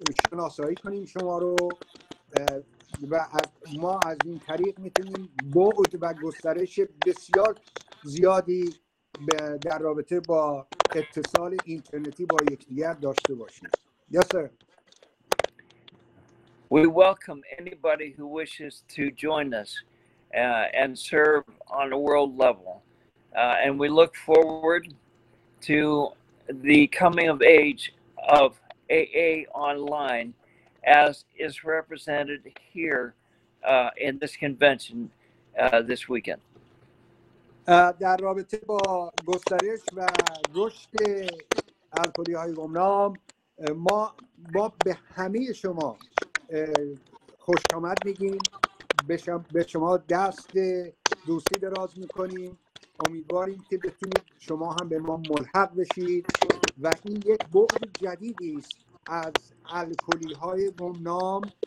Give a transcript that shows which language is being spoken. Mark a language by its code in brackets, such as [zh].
[fa] شناسایی کنیم شما رو و ما از این طریق میتونیم بعد و گسترش بسیار زیادی در رابطه با اتصال اینترنتی با یکدیگر داشته باشیم. [en] Yes, sir. We welcome anybody who wishes to join us and serve on a world level. And we look forward to the coming of age of AA online as is represented here in this convention this weekend. [fa] در رابطه با گسترش و رشد الکلی های گمنام ما به همه شما خوش آمد میگیم، به شما دست دوستی دراز میکنیم، امیدواریم که بتونید شما هم به ما ملحق بشید و این یک بُعد جدیدی است از الکلی های گمنام